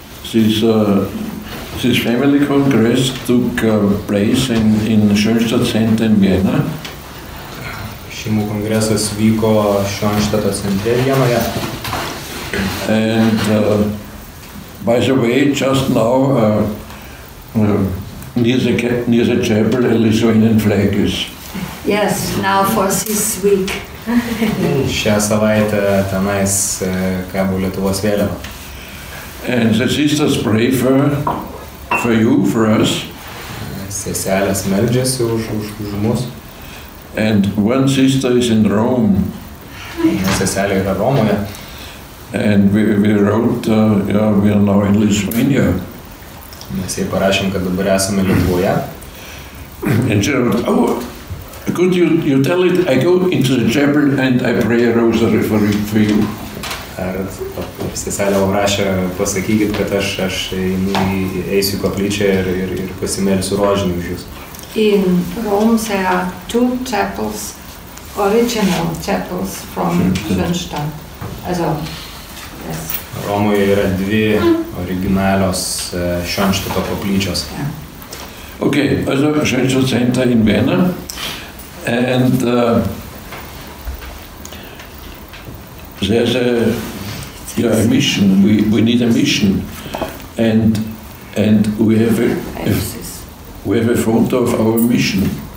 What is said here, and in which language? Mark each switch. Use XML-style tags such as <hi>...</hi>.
<en>This family congress took place in Schönstatt Center in Vienna.</en> <lt>Šeimų kongresas vyko Schönstatt Center Vienoje.</lt> <en>And by the way, just now near the chapel, a Lithuanian flag is. Yes, now for this week.</en> <lt>Šią savaitę tenais kabo Lietuvos vėliava.</lt> <en>And the sisters pray for you, for us.</en> <lt>Seselės meldžiasi už mus.</lt> <en>And one sister is in Rome.</en> <lt>Seselė yra Romoje.</lt> <en>And we wrote, we are now in Lithuania.</en> <lt>Mes jai parašėm, kad dabar esame Lietuvoje.</lt> <en>And she wrote, oh, could you tell it, I go into the chapel and I pray a rosary for you.</en> <lt>Ar seselė rašė, pasakykit, kad aš eisiu į koplyčią ir pasimelsiu rožinį už jūs.</lt> <en>In Rome there are two chapels, original chapels from Schönstatt. Also, yes.</en> <lt>Romoje yra dvi originalios Schönstatto koplyčios.</lt> <en>Yeah. Okay, also Schönstatt Center in Vienna. And there's a Yeah, a mission. We need a mission, and we have a photo of our mission.</en>